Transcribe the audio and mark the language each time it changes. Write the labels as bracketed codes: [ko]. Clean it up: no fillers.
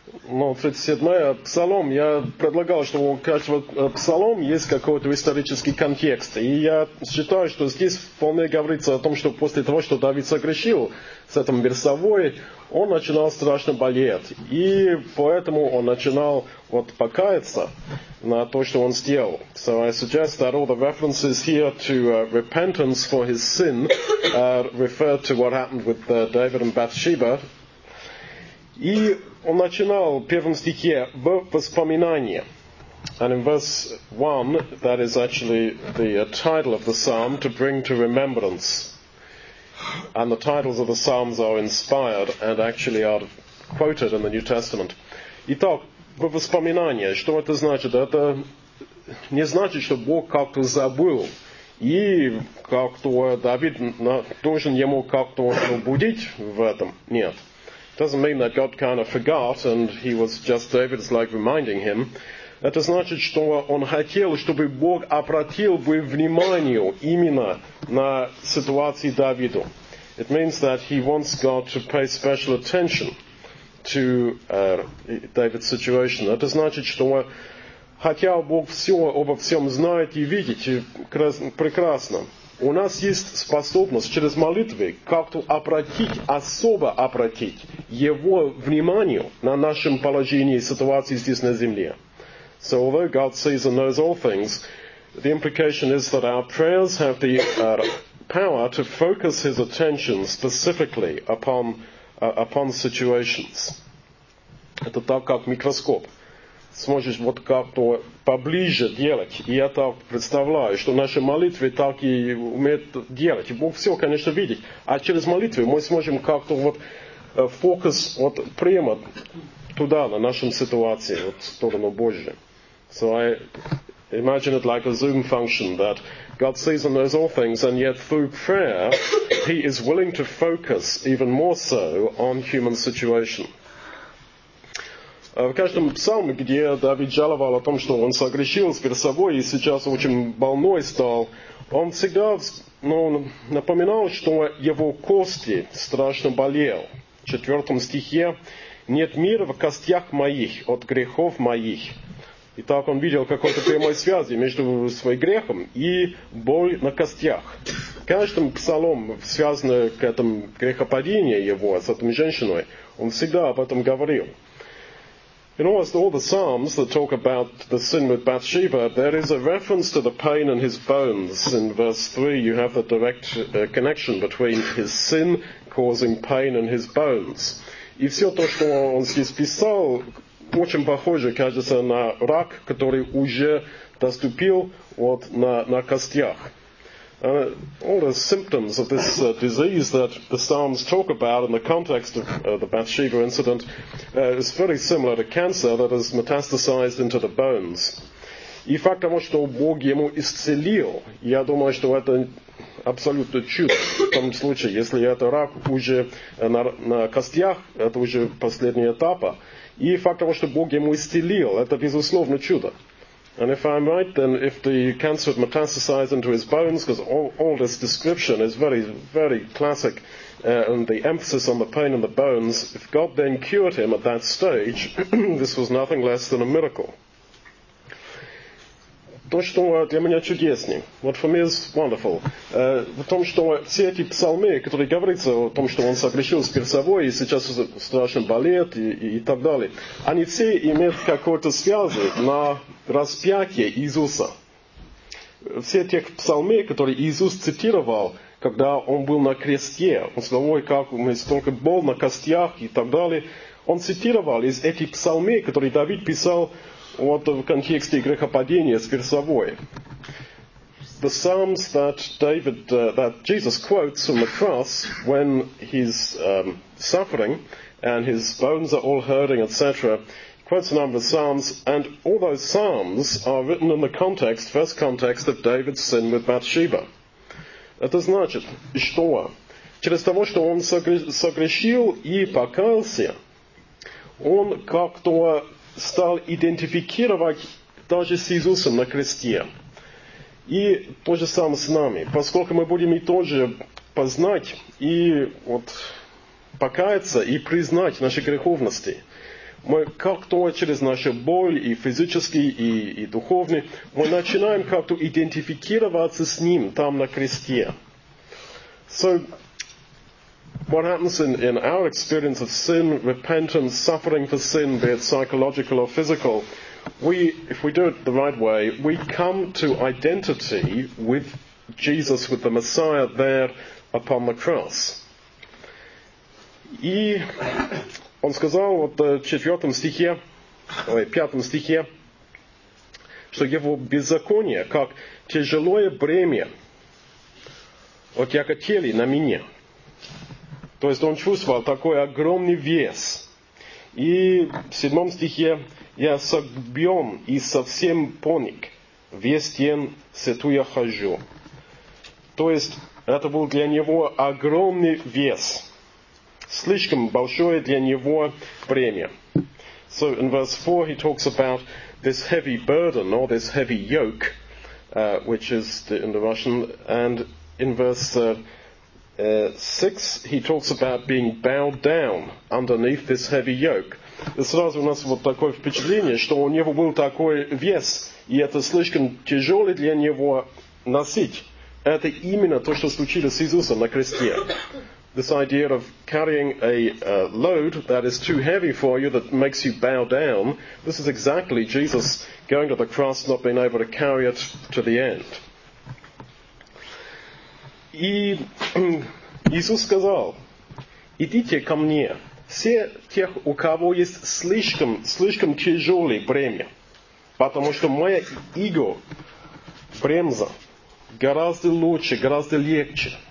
[ru] Ну, 37-я, Псалом, я предлагал, что у каждого Псалом есть какой-то исторический контекст. И я считаю, что здесь вполне говорится о том, что после того, что Давид согрешил с этим Берсавой, он начинал страшно болеть. И поэтому он начинал вот покаяться на то, что он сделал. [en] So I suggest that all the references here to repentance for his sin refer to what happened with David and Bathsheba. [ru] И он начинал в первом стихе в воспоминании. [en] And in verse 1, that is actually the title of the psalm, to bring to remembrance. And the titles of the psalms are inspired and actually are quoted in the New Testament. [ru] Итак, в воспоминании, что это значит? Это не значит, что Бог как-то забыл. И как-то Давид должен ему как-то пробудить в этом. Нет. [en] Doesn't mean that God kind of forgot and he was just David's like reminding him. [ru] Это значит, что он хотел, чтобы Бог обратил бы внимание именно на ситуацию Давиду. [en] It means that he wants God to pay special attention to David's situation. [ru] Это значит, что хотя Бог все обо всем знает и видит прекрасно. У нас есть способность через молитвы как-то обратить, особо обратить его внимание на нашем положении и ситуации здесь на земле. [en] So although God sees and knows all things, the implication is that our prayers have the power to focus his attention specifically upon situations. [ru] Это так, как микроскоп. Сможешь вот как-то поближе делать. И я так представляю, что наши молитвы так и умеют делать. И Бог все, конечно, видит. А через молитвы мы сможем как-то вот фокус вот прямо туда, на нашем ситуации, вот в сторону Божью. [en] So I imagine it like a zoom function, that God sees and knows all things, and yet through prayer, he is willing to focus even more so on human situation. [ru] В каждом псалме, где Давид жаловал о том, что он согрешил с Берсавой и сейчас очень больной стал, он всегда напоминал, что его кости страшно болели. В четвертом стихе «Нет мира в костях моих от грехов моих». И так он видел какой-то прямой связи между своим грехом и боль на костях. Каждым псалом, связанным к этому грехопадению его с этой женщиной, он всегда об этом говорил. [en] In almost all the Psalms that talk about the sin with Bathsheba, there is a reference to the pain in his bones. In verse 3, you have the direct connection between his sin causing pain in his bones. [ru] И все то, что он здесь писал, очень похоже, кажется, на рак, который уже доступил вот на костях. [en] All the symptoms of this disease that the Psalms talk about in the context of the Bathsheba incident is very similar to cancer that has metastasized into the bones. [ru] И факт того, что Бог ему исцелил, я думаю, что это абсолютно чудо в том случае, если это рак уже на костях, это уже последняя этапа. И факт того, что Бог ему исцелил, это безусловно чудо. [en] And if I'm right, then if the cancer had metastasized into his bones, because all this description is very, very classic, and the emphasis on the pain in the bones, if God then cured him at that stage, this was nothing less than a miracle. [ru] То, что для меня чудеснее, [en] what for me is wonderful, [ru] в том, что все эти псалмы, которые говорится о том, что он согрешил с Берсавой, и сейчас страшно болеет, и так далее, они все имеют какую-то связь на распятие Иисуса. Все те псалмы, которые Иисус цитировал, когда он был на кресте, он сказал, ой, как у меня столько боли на костях, и так далее, он цитировал из этих псалмы, которые Давид писал, вот в контексте грехопадения с Берсавой. [en] The psalms that David, that Jesus quotes from the cross when he's suffering and his bones are all hurting, etc., quotes a number of psalms, and all those psalms are written in the context, first context, of David's sin with Bathsheba. [ru] Это значит, что через того, что он согрешил и покаялся, он как-то стал идентифицировать даже с Иисусом на кресте. И то же самое с нами. Поскольку мы будем и тоже познать, и вот покаяться, и признать наши греховности, мы как-то через нашу боль, и физический, и духовный, мы начинаем как-то идентифицироваться с Ним там на кресте. [en] So, what happens in our experience of sin, repentance, suffering for sin, be it psychological or physical, we, if we do it the right way, we come to identity with Jesus, with the Messiah there upon the cross. [ru] И он сказал вот в четвертом стихе, ой, пятом стихе, что его беззаконие, как тяжелое бремя, вот я котели на меня. То есть он чувствовал такой огромный вес. И в седьмом стихе я согбен и совсем поник, весь день сету я хожу. То есть это был для него огромный вес. Слишком большое для него бремя. [en] So in verse 4 he talks about this heavy burden or this heavy yoke, which is in the Russian, and in verse 6 he talks about being bowed down underneath this heavy yoke. [ru] И сразу у нас вот такое впечатление, что у него был такой вес, и это слишком тяжело для него носить. Это именно то, что случилось с Иисусом на кресте. [en] This idea of carrying a load that is too heavy for you, that makes you bow down, this is exactly Jesus going to the cross, not being able to carry it to the end. [ru] И Иисус сказал, идите ко мне, все тех, у кого есть слишком, слишком тяжелое бремя, потому что мое иго, бремза, гораздо лучше, гораздо легче.